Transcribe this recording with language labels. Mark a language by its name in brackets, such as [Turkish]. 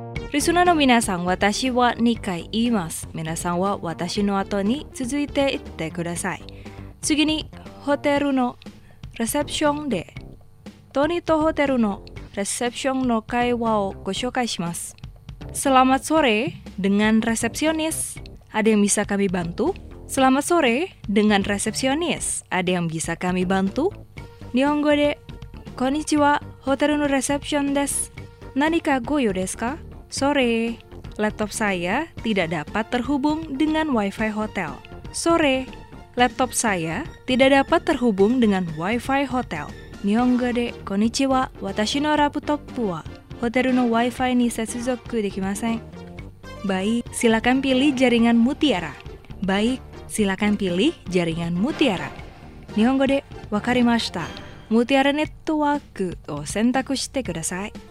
[Japanese] リスナーの皆さん、私は2回言います。皆さんは私の後に続いて言ってください。次にホテルのレセプションで、トニーとホテルのレセプションの会話をご紹介します。 [Indonesian] Selamat sore dengan resepsionis. Ada yang bisa kami bantu? Selamat sore dengan resepsionis. Ada yang bisa kami bantu? [Japanese] 日本語で、こんにちは、ホテルのレセプションです。何かご用ですか？ [Indonesian] Sore, laptop saya tidak dapat terhubung dengan Wi-Fi hotel. Sore, laptop saya tidak dapat terhubung dengan Wi-Fi hotel. [Japanese] 日本語でこんにちは、私のラップトップはホテルの Wi-Fi に接続できません。 [Indonesian] Baik, silakan pilih jaringan mutiara. Baik, silakan pilih jaringan mutiara. [Japanese] 日本語でわかりました。Mutiara Network を選択してください。